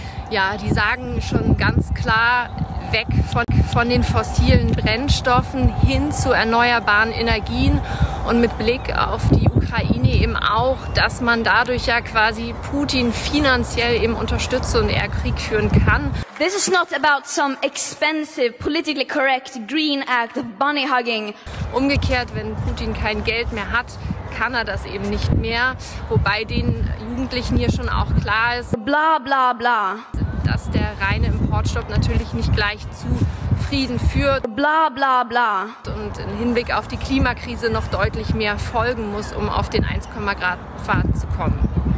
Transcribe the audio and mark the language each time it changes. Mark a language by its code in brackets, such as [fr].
[de] Ja, die sagen schon ganz klar, weg von den fossilen Brennstoffen hin zu erneuerbaren Energien und mit Blick auf die Ukraine eben auch, dass man dadurch ja quasi Putin finanziell eben unterstütze und er Krieg führen kann. [en] This is not about some expensive, politically correct green act of bunny hugging. [de] Umgekehrt, wenn Putin kein Geld mehr hat, kann er das eben nicht mehr. Wobei den Jugendlichen hier schon auch klar ist, bla bla bla, dass der reine Importstopp natürlich nicht gleich zu Frieden führt. Bla bla bla. Und im Hinblick auf die Klimakrise noch deutlich mehr folgen muss, um auf den 1,5-Grad-Pfad zu kommen.